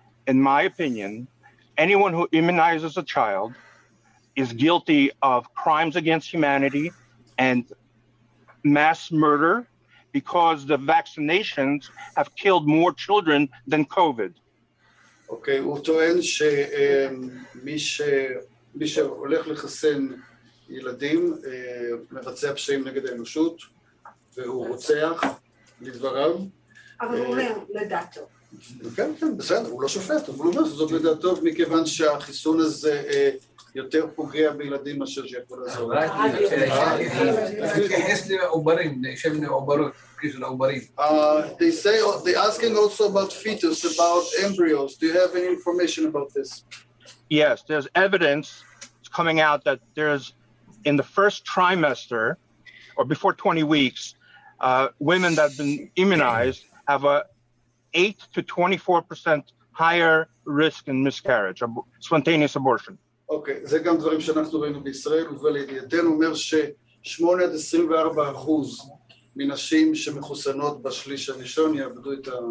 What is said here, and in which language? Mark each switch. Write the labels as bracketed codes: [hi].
[en] In my opinion, anyone who immunizes a child is guilty of crimes against humanity, and mass murder, because the vaccinations have killed more children than COVID. [he] Okay, הוא טוען שמי שהולך לחסן ילדים מבצע פשעים נגד האנושות, והוא רוצח לדבריו, אבל הוא אומר, לדעתו. כן, בסדר, הוא לא שופט, אבל הוא אומר, זאת לדעתו, מכיוון שהחיסון הזה יותר פוגע בילדים מאשר שיכול לעזור. רק להתייחס לעוברים, נשאם לעוברות, כאילו לעוברים. [en] They say, they asking also about fetus, about embryos. Do you have any information about this? Yes, there's evidence coming out that there's, in the first trimester, or before 20 weeks, women that have been immunized have a 8-24% higher risk in miscarriage, spontaneous abortion. [he] Okay, זה גם דברים שאנחנו ראינו בישראל, ולידיעתנו אומר ש8-24% מנשים שמחוסנות בשליש הראשון יאבדו את